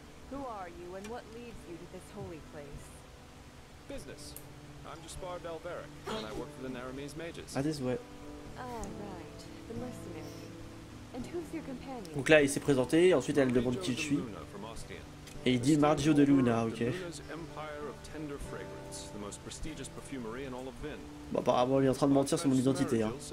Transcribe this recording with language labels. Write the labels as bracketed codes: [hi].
[en] Who are you and what leads you to this holy place? Business. I'm Jaspar Belveric and I work for the Naramese mages. That is what. Ah right, the mercenary. And who's your companion? [fr] Donc là, il s'est présenté, ensuite elle demande qui je suis. Et il dit Margio de Luna, OK. [en] Empire of tender fragrance, the most prestigious perfumery in all of Vin. [fr] Bah apparemment, il est en train de mentir sur mon identité hein.